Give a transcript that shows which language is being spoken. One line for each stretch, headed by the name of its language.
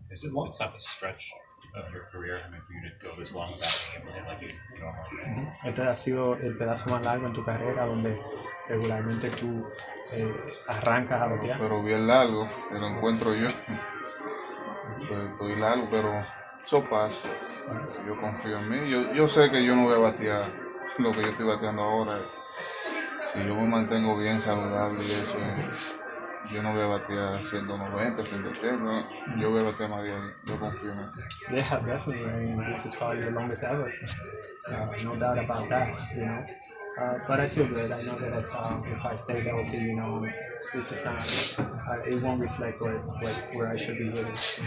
English: Is this the toughest stretch of your career, I mean, for you to go this long without being able to hit like you normally?
Spanish: Este ha sido el pedazo más largo en tu carrera donde regularmente tú arrancas a batear. Pero bien largo, lo encuentro yo. Estoy largo, pero eso pasa. Yo confío en mí. Yo sé que yo no voy a batear lo que yo estoy bateando ahora. Si yo me mantengo bien saludable y eso, yo no voy a batear 190, 180. No. Yo voy a batear más bien. Yo confío en mí.
English: Yeah, definitely. I mean, this is probably the longest ever. No doubt about that, you know. But I feel good. I know that if I stay healthy, you know, this is not, it won't reflect where I should be living.